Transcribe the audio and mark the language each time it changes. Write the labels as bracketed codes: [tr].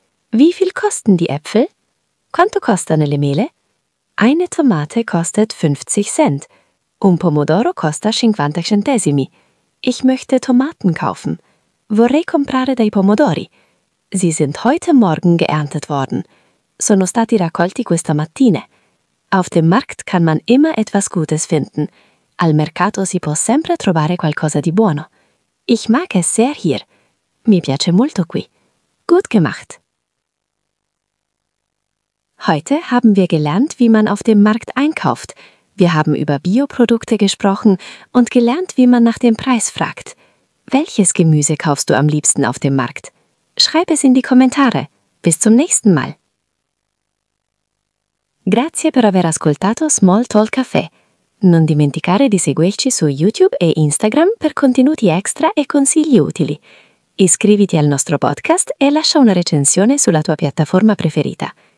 [de] Wie viel kosten die Äpfel? [it] Quanto costano le mele? [de] Eine Tomate kostet 50 Cent. [it] Un pomodoro costa 50 centesimi. [de] Ich möchte Tomaten kaufen. [it] Vorrei comprare dei pomodori. [de] Sie sind heute Morgen geerntet worden. [it] Sono stati raccolti questa mattina. [de] Auf dem Markt kann man immer etwas Gutes finden. [it] Al mercato si può sempre trovare qualcosa di buono. [de] Ich mag es sehr hier. [it] Mi piace molto qui. [de] Gut gemacht. Heute haben wir gelernt, wie man auf dem Markt einkauft. Wir haben über Bioprodukte gesprochen und gelernt, wie man nach dem Preis fragt. Welches Gemüse kaufst du am liebsten auf dem Markt? Schreib es in die Kommentare. Bis zum nächsten Mal. [it] Grazie per aver ascoltato Small Talk Café. Non dimenticare di seguirci su YouTube e Instagram per contenuti extra e consigli utili. Iscriviti al nostro podcast e lascia una recensione sulla tua piattaforma preferita.